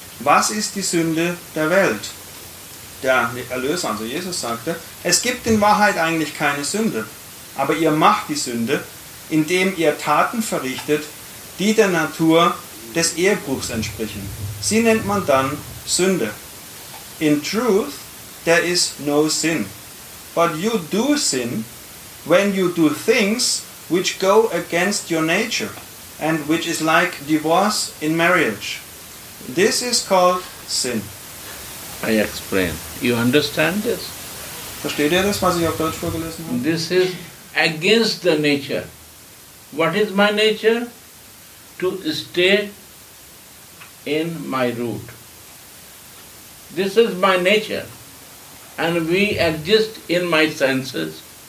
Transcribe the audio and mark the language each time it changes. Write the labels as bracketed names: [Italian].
[German] Was ist die Sünde der Welt? Der Erlöser, also Jesus, sagte, es gibt in Wahrheit eigentlich keine Sünde, aber ihr macht die Sünde, indem ihr Taten verrichtet, die der Natur des Ehebruchs entsprechen. Sie nennt man dann Sünde. [English] In truth, there is no sin. But you do sin, when you do things which go against your nature and which is like divorce in marriage. This is called sin. I explain. You understand this? [German] Versteht ihr das, was ich auf Deutsch vorgelesen habe? [English] This is against the nature. What is my nature? To stay in my root. This is my nature. And we exist in my senses.